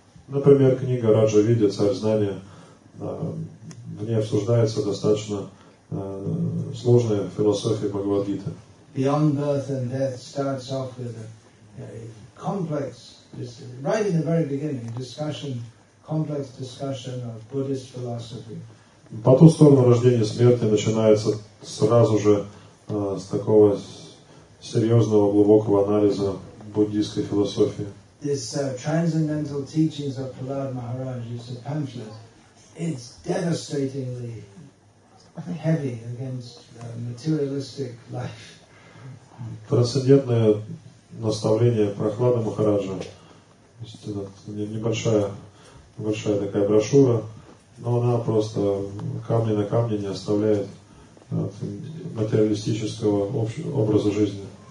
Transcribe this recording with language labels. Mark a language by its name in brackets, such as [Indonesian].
[Russian] Например, книга Раджа Видья, Царь Знания, в ней обсуждается достаточно сложная философия Бхагавад Гиты. [English] Beyond birth and death starts off with a complex, right in the very beginning, discussion, complex discussion of Buddhist philosophy. [Russian] По ту сторону рождения и смерти начинается сразу же с такого серьезного, глубокого анализа буддийской философии. [English] This transcendental teachings of Prahlad Maharaj is a pamphlet. It's devastatingly heavy against materialistic life. [Russian] Трансцендентное наставление Прахлада Махараджа. Небольшая такая брошюра, но она просто камни на камни не оставляет материалистического образа жизни.